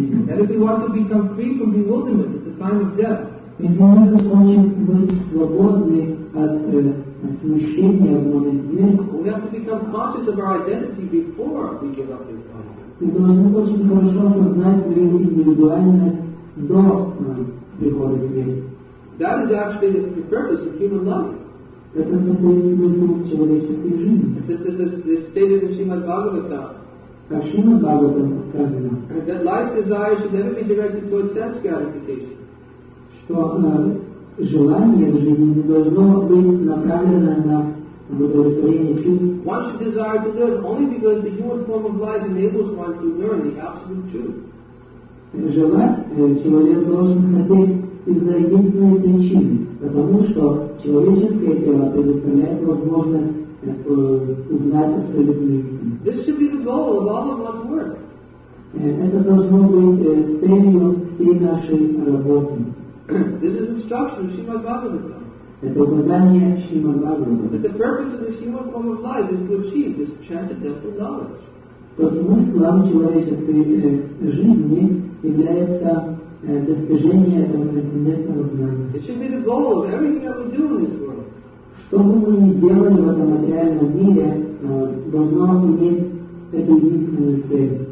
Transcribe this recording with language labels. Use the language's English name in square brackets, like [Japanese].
[English] And if we want to become free from bewilderment at the time of death, if we want to become [Russian] свободны от смущения в момент смерти, [English] we have to become conscious of our identity before we give up this body. [Russian] И должны очень хорошо осознать свою индивидуальность до прихода смерти. [English] That is actually the purpose of human life. [Russian] Это состоит в человеческой жизни. [English] This stated in Srimad Bhagavatam. That life's desire should never be directed towards sense gratification. [Russian] Что желание в жизни не должно быть направлено на удовлетворение чувств. [English] One should desire to live only because the human form of life enables one to learn the absolute truth. [Russian] Желать человек должен хотеть из-за единственной причины, потому что человеческое тело предоставляет возможность [English] This should be the goal of all of one's work. [Russian] Это должно быть целью всей нашей работы. [English] This is instruction of Srimad Bhagavatam. [Russian] Это указание Srimad Bhagavatam. [English] That the purpose of this human form of life is to achieve this transcendental knowledge. [Russian] То смысл человеческой жизни является достижение этого трансцендентного знания. [English] It should be the goal of everything that we do in this world. [Russian] Что бы мы ни делали в этом материальном мире, должно иметь эту единственную цель.